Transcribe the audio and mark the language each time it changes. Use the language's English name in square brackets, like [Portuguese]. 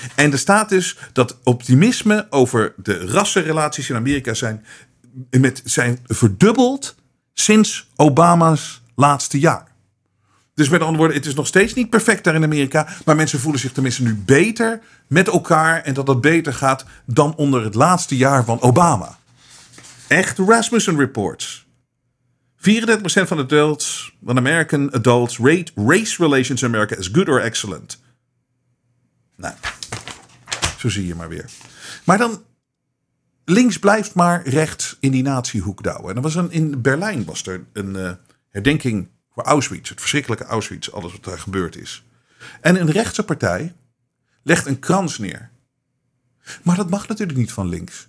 [Dutch] En er staat dus dat optimisme over de rassenrelaties in Amerika zijn verdubbeld sinds Obama's laatste jaar. Dus met andere woorden, het is nog steeds niet perfect daar in Amerika. Maar mensen voelen zich tenminste nu beter met elkaar. En dat het beter gaat dan onder het laatste jaar van Obama. Echt Rasmussen Reports. [English] 34% [Dutch] van de [English] adults, [Dutch] van [English] American adults, rate race relations in America as good or excellent. [Dutch] Nou, zo zie je maar weer. Maar dan, links blijft maar rechts in die nazi-hoek douwen. En in Berlijn was er een herdenking voor Auschwitz, het verschrikkelijke Auschwitz, alles wat daar gebeurd is. En een rechtse partij legt een krans neer. Maar dat mag natuurlijk niet van links.